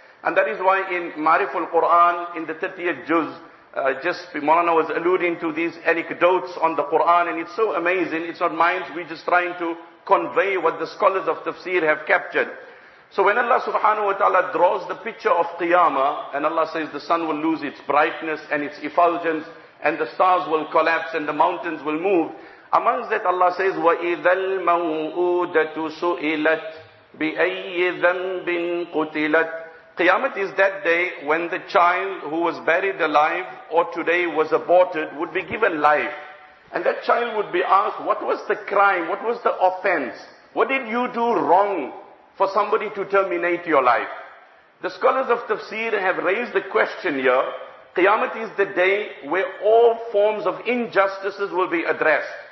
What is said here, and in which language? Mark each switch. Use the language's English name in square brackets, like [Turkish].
[English] And that is why in Ma'riful Quran, in the 30th juz, just Maulana was alluding to these anecdotes on the Quran, and it's so amazing. It's not mine. We're just trying to convey what the scholars of tafsir have captured. So when Allah subhanahu wa ta'ala draws the picture of Qiyamah, and Allah says the sun will lose its brightness and its effulgence, and the stars will collapse and the mountains will move. Amongst that Allah says, [Arabic] وَإِذَا الْمَوْءُودَةُ سُئِلَتْ بِأَيِّ ذَنْبٍ قُتِلَتْ. [English] Qiyamah is that day when the child who was buried alive or today was aborted would be given life. And that child would be asked, what was the crime? What was the offense? What did you do wrong for somebody to terminate your life? The scholars of tafsir have raised the question here. Qiyamah is the day where all forms of injustices will be addressed.